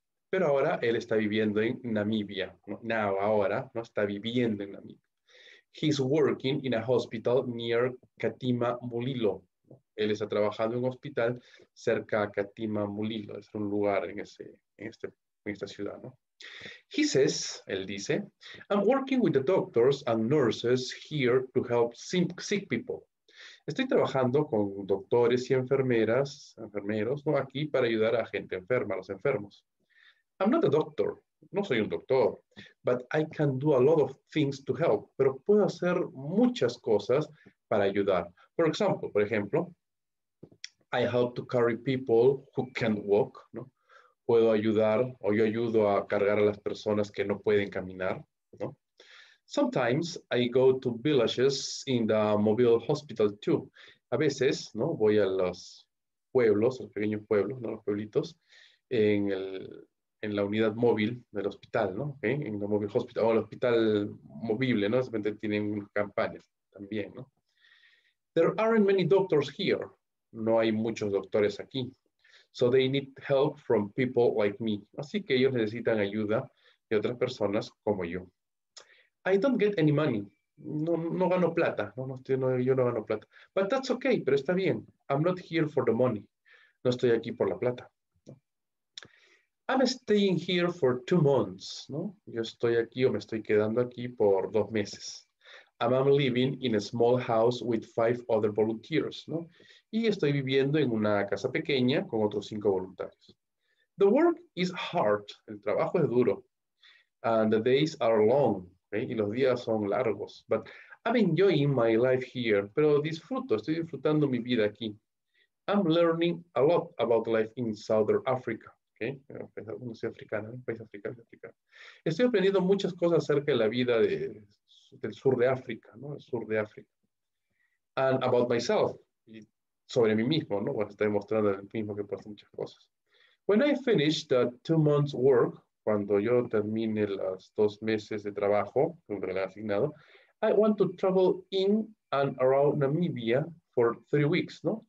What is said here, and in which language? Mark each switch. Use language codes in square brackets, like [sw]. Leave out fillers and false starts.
[es] Pero ahora él está viviendo en Namibia, ¿no? Now, ahora, ¿no? Está viviendo en Namibia. [en] He's working in a hospital near Katima Mulilo. [es] Él está trabajando en un hospital cerca a Katima Mulilo, es un lugar en esta ciudad, ¿no? [en] He says, [es] él dice, [en] I'm working with the doctors and nurses here to help sick people. [es] Estoy trabajando con doctores y enfermeras, enfermeros, ¿no? Aquí para ayudar a gente enferma, a los enfermos. [en] I'm not a doctor, [es] no soy un doctor, [en] but I can do a lot of things to help, [es] pero puedo hacer muchas cosas para ayudar. Por ejemplo, [en] I help to carry people who can't walk, ¿no? [es] Puedo ayudar o yo ayudo a cargar a las personas que no pueden caminar, ¿no? [en] Sometimes I go to villages in the mobile hospital too. [es] A veces, ¿no? Voy a los pueblos, a los pequeños pueblos, ¿no? Los pueblitos, en la unidad móvil del hospital, ¿no? ¿Okay? En la mobile hospital, o el hospital movible, ¿no? De repente tienen unas campañas también, ¿no? [en] There aren't many doctors here. [es] No hay muchos doctores aquí. [en] So they need help from people like me. [es] Así que ellos necesitan ayuda de otras personas como yo. [en] I don't get any money. [es] No gano plata. Yo no gano plata. [en] But that's okay, [es] pero está bien. [en] I'm not here for the money. [es] No estoy aquí por la plata. [en] Staying here for 2 months, ¿no? [es] Yo estoy aquí o me estoy quedando aquí por 2 meses. [en] I'm living in a small house with five other volunteers, ¿no? [es] Y estoy viviendo en una casa pequeña con otros 5 voluntarios. [en] The work is hard. [es] El trabajo es duro. [en] And the days are long. ¿Eh? [es] Y los días son largos. [en] But I'm enjoying my life here. [es] Pero disfruto, estoy disfrutando mi vida aquí. [en] I'm learning a lot about life in Southern Africa. ¿Okay? [es] No soy africana, un país africano, soy africano. Estoy aprendiendo muchas cosas acerca de la vida del sur de África, ¿no? El sur de África. [en] And about myself. [es] Y sobre mí mismo, ¿no? Bueno, estoy mostrando el mismo que pasa muchas cosas. [en] When I finish the 2 months work, [es] cuando yo termine los 2 meses de trabajo, que me han asignado, [en] I want to travel in and around Namibia for 3 weeks, ¿no?